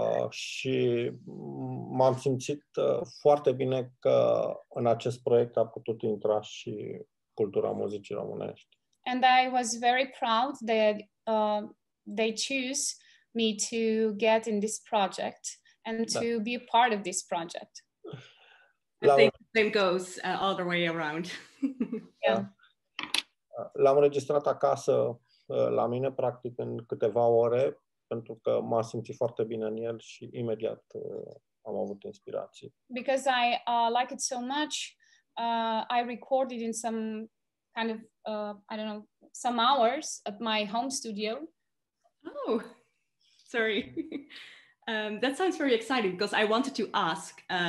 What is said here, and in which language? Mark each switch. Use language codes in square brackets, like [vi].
[ro] Și m-am simțit foarte bine că în acest proiect a putut intra și cultura muzicii românești. [en] And I was very proud that they choose me to get in this project and to be a part of this project. Same goes all the way around. Yeah. [ro] L-am înregistrat acasă la mine, practic, în câteva ore, pentru că m-am simțit foarte bine în el și imediat am avut inspirații. [en] Because I like it so much, I recorded in some kind of, I don't know, some hours at my home studio. Oh, sorry. that sounds very exciting, because I wanted to ask,